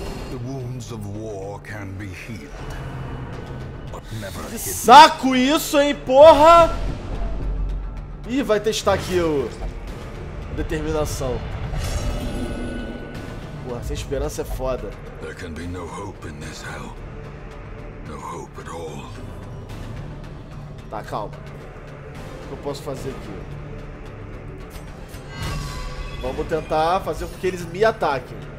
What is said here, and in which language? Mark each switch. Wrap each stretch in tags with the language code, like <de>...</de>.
<en>The wounds of war can be healed, but never hidden.</en> <pt>Saco isso, hein, porra! Ih, vai testar aqui o determinação. Porra, sem esperança é foda.</pt> <en>There can be no hope in this hell. No hope at all.</en> <pt>Tá, calma. O que eu posso fazer aqui? Vamos tentar fazer com que eles me ataquem.</pt>